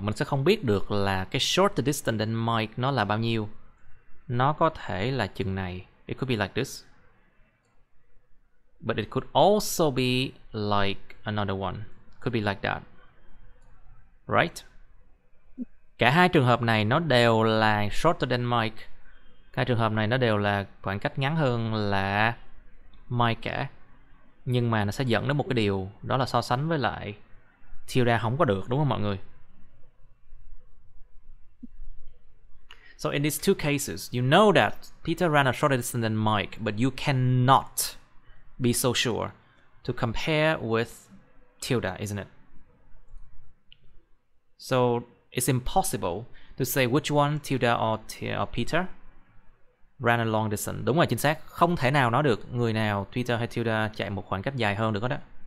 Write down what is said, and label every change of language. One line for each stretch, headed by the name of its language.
Vietnamese: Mình sẽ không biết được là cái
English: shorter distance than Mike
Vietnamese: nó là bao nhiêu. Nó có thể là chừng này.
English: It could be like this. But it could also be like another one. Could be like that. Right?
Vietnamese: Cả hai trường hợp này nó đều là
English: shorter than Mike.
Vietnamese: Hai trường hợp này nó đều là khoảng cách ngắn hơn là Mike cả. Nhưng mà nó sẽ dẫn đến một cái điều. Đó là so sánh với lại Tilda không có được, đúng không mọi người?
English: So in these two cases, you know that Peter ran a shorter distance than Mike, but you cannot be so sure to compare with Tilda, isn't it? So it's impossible to say which one, Tilda or Peter, ran a long distance.
Vietnamese: Đúng rồi, chính xác. Không thể nào nói được người nào Peter hay Tilda chạy một khoảng cách dài hơn được hết đó.